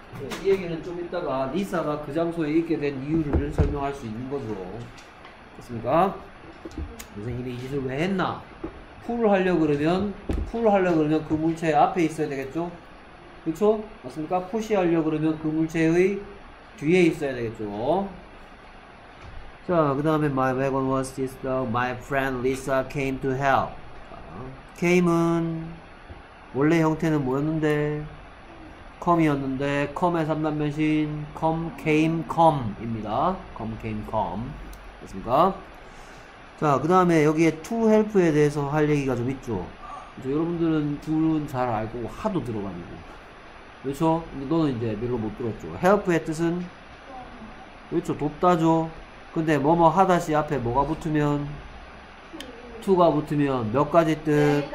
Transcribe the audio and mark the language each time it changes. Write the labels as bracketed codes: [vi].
[ko] 네, 이 얘기는 좀 이따가 리사가 그 장소에 있게 된 이유를 설명할 수 있는 거죠. 됐습니까? 선생님이 이 짓을 왜 했나? 푸를 하려고 그러면, 푸를 하려고 그러면 그 물체의 앞에 있어야 되겠죠? 그쵸? 맞습니까? 푸시하려고 그러면 그 물체의 뒤에 있어야 되겠죠? 자, 그 다음에 [en] my wagon was this though. My friend Lisa came to help. [ko] came은 원래 형태는 뭐였는데? come이었는데 come의 3단변신 come, came, come 입니다. come, came, come 됐습니까? 자, 그 다음에 여기에 to help에 대해서 할 얘기가 좀 있죠. 그렇죠? 여러분들은 둘은 잘 알고 하도 들어가지고 그렇죠? 근데 너는 이제 별로 못 들었죠. help의 뜻은? 그렇죠, 돕다죠. 근데 뭐뭐 하다시 앞에 뭐가 붙으면 투가 붙으면 몇 가지 뜻?